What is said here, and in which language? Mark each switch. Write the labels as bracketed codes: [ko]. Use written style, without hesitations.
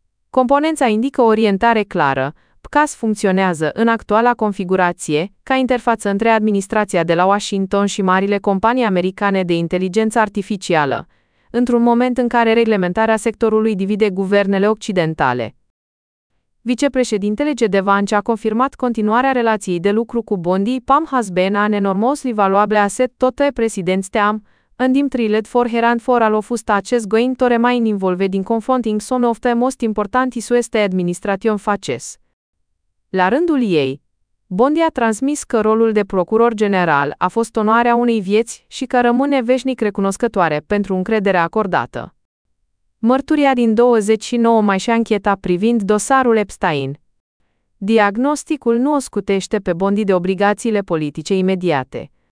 [ro] Componența indică o orientare clară. PCAS funcționează, în actuala configurație, ca interfață între administrația de la Washington și marile companii americane de inteligență artificială, într-un moment în care reglementarea sectorului divide guvernele occidentale. Vicepreședintele Jed Vance a confirmat continuarea relației de lucru cu Bondi. [en] Pam has been an enormously valuable asset to the president's team, and I'm thrilled for her and for all of us that she's going to remain involved in confronting some of the most important issues the administration faces. [ro] La rândul ei, Bondi a transmis că rolul de procuror general a fost onoarea unei vieți și că rămâne veșnic recunoscătoare pentru încrederea acordată. Mărturia din 29 mai și ancheta privind dosarul Epstein. Diagnosticul nu o scutește pe Bondi de obligațiile politice imediate.